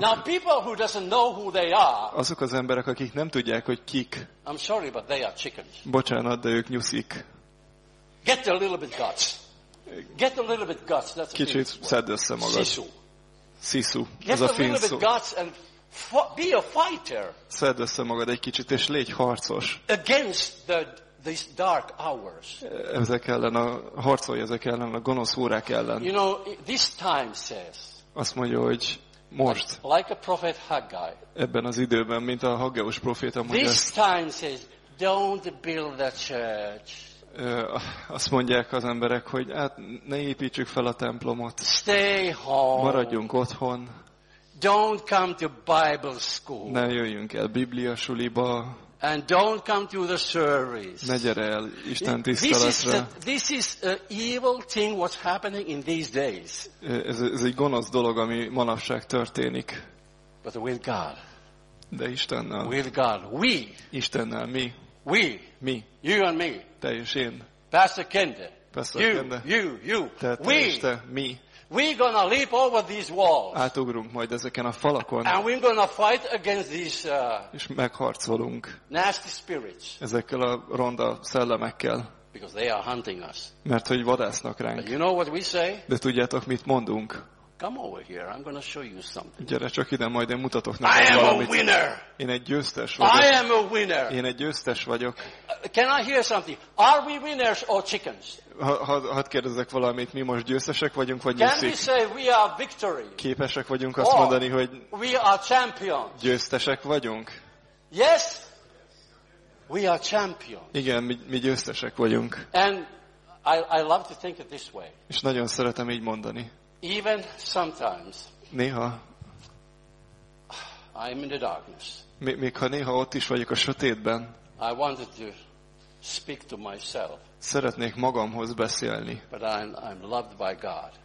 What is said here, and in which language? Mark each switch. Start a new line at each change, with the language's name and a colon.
English: Now people who doesn't know who they are.
Hungarian: Azok az emberek, akik nem tudják, hogy kik.
English: I'm sorry, but they are chickens.
Hungarian: Bocsánat, de ők nyuszik.
English: Get a little bit guts. Get a little bit guts. That's a
Hungarian: kicsit szedd össze magad.
Finnish: Sisu.
Hungarian: Ez a finn szó.
English: Get a little bit guts and be a fighter.
Hungarian: Szedd össze magad egy kicsit és légy harcos.
English: Against these dark hours.
Hungarian: Ezek ellen a harcolj ezek ellen a gonosz órák ellen.
English: You know, this time says.
Hungarian: Azt mondja, hogy most.
English: Like a prophet Haggai.
Hungarian: Ebben az időben, mint a Haggeus proféta mondja.
English: This time says, don't build the church.
Hungarian: Azt mondják az emberek, hogy hát ne építsük fel a templomot.
English: Stay home.
Hungarian: Maradjunk otthon.
English: Don't come to Bible school.
Hungarian: Ne jöjjünk el Biblia suliba.
English: And don't come to the service.
Hungarian: Ne gyere el Isten tiszteletre.
English: This is an evil thing what's happening in these days.
Hungarian: Ez egy gonosz dolog, ami manapság történik.
English: But with God.
Hungarian: De Istennel.
English: With God. We.
Hungarian: Istennel mi.
English: We.
Hungarian: Mi.
English: You and me.
Hungarian: Te és én.
English: Pastor Kende. Pastor you, Kende. You.
Hungarian: Te, te
English: we.
Hungarian: És te, mi.
English: We're gonna leap over these walls.
Hungarian: Átugrunk majd ezeken a falakon.
English: And we're gonna fight against these.
Hungarian: És megharcolunk.
English: Nasty spirits.
Hungarian: Ezekkel a ronda szellemekkel.
English: Because they are hunting us.
Hungarian: Mert hogy vadásznak ránk.
English: But you know what we say?
Hungarian: De tudjátok mit mondunk?
English: Come over here. I'm gonna show you something.
Hungarian: Gyere csak ide, majd én mutatok neked valamit.
English: I am a winner.
Hungarian: Én egy győztes vagyok.
English: I am a winner.
Hungarian: Én egy győztes vagyok.
English: Can I hear something? Are we winners or chickens?
Hungarian: Hadd kérdezzek valamit, mi most győztesek vagyunk, vagy
English: can
Hungarian: nyuszik?
English: We say we are victory?
Hungarian: Képesek vagyunk azt mondani, hogy
English: we are champions.
Hungarian: Győztesek vagyunk?
English: Yes, we are champions.
Hungarian: Igen, mi győztesek vagyunk.
English: And I love to think it this way.
Hungarian: És nagyon szeretem így mondani.
English: Even sometimes.
Hungarian: Néha.
English: I'm in the darkness.
Hungarian: Még ha néha ott is vagyok a sötétben.
English: I wanted to speak to myself.
Hungarian: Szeretnék magamhoz beszélni.
English: But I'm loved by God.